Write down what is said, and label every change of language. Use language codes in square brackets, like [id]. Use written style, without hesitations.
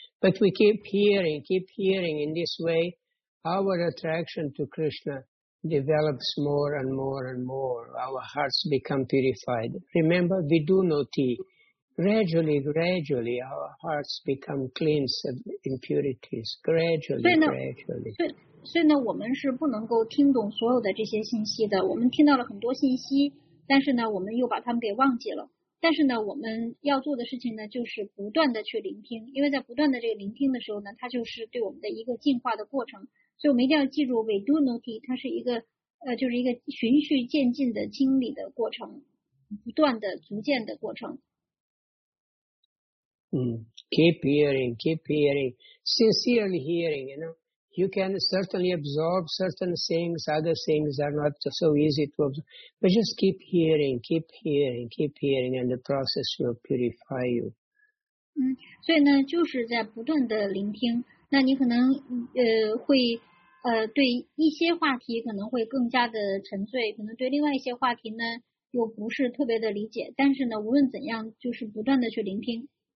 [en] But we keep hearing in this way, our attraction to Krishna. Develops more and more and more. Our hearts become purified. Remember, we do no tea. Gradually, gradually, our hearts become cleansed of impurities. Gradually. [zh] 所以呢，我们是不能够听懂所有的这些信息的。我们听到了很多信息，但是呢我们又把他们给忘记了。但是呢我们要做的事情呢就是不断的去聆听，因为在不断的这个聆听的时候呢，它就是对我们的一个进化的过程。所以我们一定要记住 we do noti， 它是一个就是一个循序渐进的清理的过程，不断的逐渐的过程。 [en] Keep hearing, keep hearing, sincerely hearing, you know, you can certainly absorb certain things, other things are not so easy to absorb, but just keep hearing, keep hearing, keep hearing, and the process will purify you. [zh] 所以呢就是在不断的聆听，那你可能会对一些话题可能会更加的沉醉，可能对另外一些话题呢又不是特别的理解，但是呢无论怎样就是不断的去聆听。